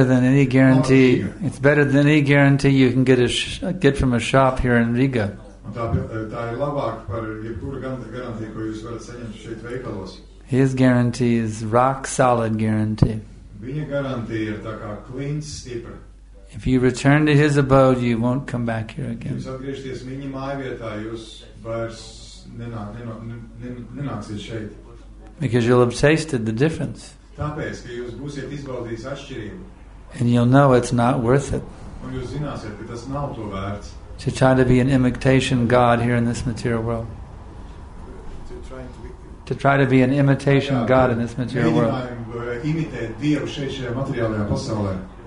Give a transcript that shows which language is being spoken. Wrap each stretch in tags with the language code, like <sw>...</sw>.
<en>It's better than any guarantee you can get from a shop here in Riga.</en> <lv>Un tā ir labāk par jebkuru garantiju, ko jūs varat saņemt šeit veikalos.</lv> <en>His guarantee is rock solid guarantee.</en> <lv>Viņa garantija ir tā kā klints stipra.</lv> <en>If you return to his abode, you won't come back here again.</en> <lv>Jūs atgriezties viņa mājvietā, jūs vairs nenāksiet šeit.</lv> <en>Because you'll have tasted the difference.</en> <lv>Tāpēc, ka jūs būsiet izbaudījis atšķirību.</lv> <en>And you'll know it's not worth it.</en> <lv>Un jūs zināsiet, ka tas nav to vērts.</lv> <en>To try to be an imitation God here in this material world. To try to be an imitation God in this material world.</en> <lv>Imitēt Dievu šeit šajā materiālajā pasaulē.</lv>